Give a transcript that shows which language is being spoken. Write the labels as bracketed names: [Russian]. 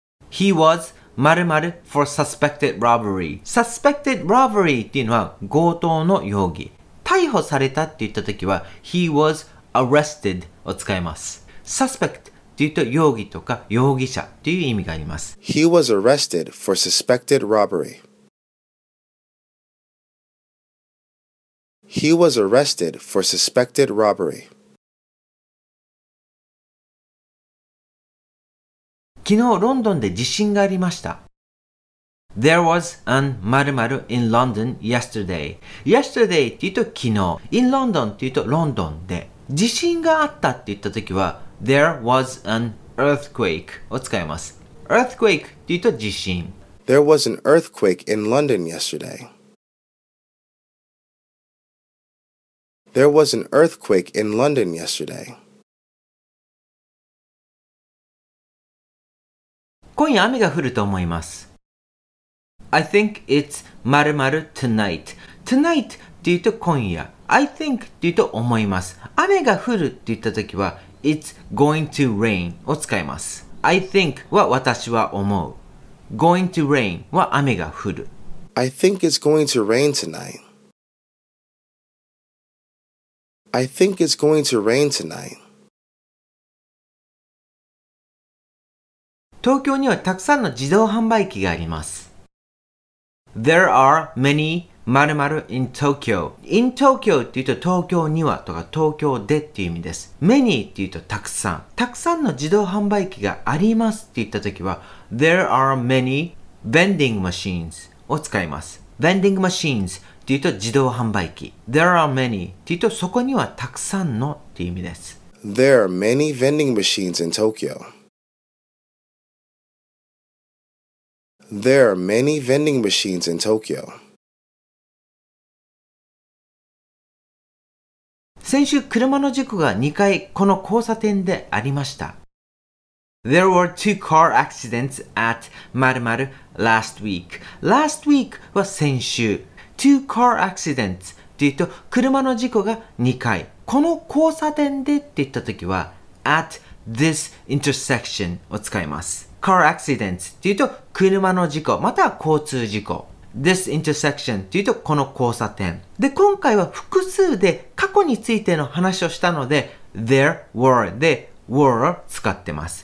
[English] He was 〇〇 for suspected robbery. Suspected robbery [Japanese] っていうのは強盗の容疑。逮捕されたって言った時は [English] he was arrested [Japanese] を使います。 suspect っていうと容疑とか容疑者っていう意味があります。 [English] He was arrested for suspected robbery. He was arrested for suspected robbery. [Japanese] 昨日ロンドンで地震がありました。 [English] There was an 〇〇 in London yesterday. [Japanese] Yesterday って言うと昨日、 [English] in London [Japanese] って言うとロンドンで、地震があったって言った時は [English] There was an earthquake [Japanese] を使います。 Earthquake って言うと地震。 [English] There was an earthquake in London yesterday. There was an earthquake in London yesterday. [Japanese] 今夜雨が降ると思います。 [English] I think it's 〇〇 tonight. [Japanese] Tonight って言うと今夜。 [English] I think [Japanese] って言うと思います。雨が降るって言った時は [English] It's going to rain [Japanese] を使います。 [English] I think [Japanese] は私は思う。 [English] Going to rain [Japanese] は雨が降る。 [English] I think it's going to rain tonight. I think it's going to rain tonight. [Japanese] 東京にはたくさんの自動販売機があります。 [English] There are many 〇〇 in Tokyo. In Tokyo [Japanese] っていうと東京にはとか東京でっていう意味です。 Many っていうとたくさん。たくさんの自動販売機がありますって言ったときは [English] There are many vending machines [Japanese] を使います。 [English] Vending machines [Japanese] っていうと自動販売機。 [English] There are many [Japanese] っていうとそこにはたくさんのっていう意味です。 [English] There are many vending machines in Tokyo. There are many vending machines in Tokyo. [Japanese] 先週車の事故が2回この交差点でありました。 [English] There were two car accidents at 〇〇 last week. Last week [Japanese] は先週。 [English] Two car accidents [Japanese] というと車の事故が2回この交差点でって言った時は [English] at this intersection [Japanese] を使います。 [English] Car accidents [Japanese] っていうと車の事故または交通事故。 [English] This intersection [Japanese] っていうとこの交差点。で、今回は複数で過去についての話をしたので [English] There were [Japanese] で were を使ってます。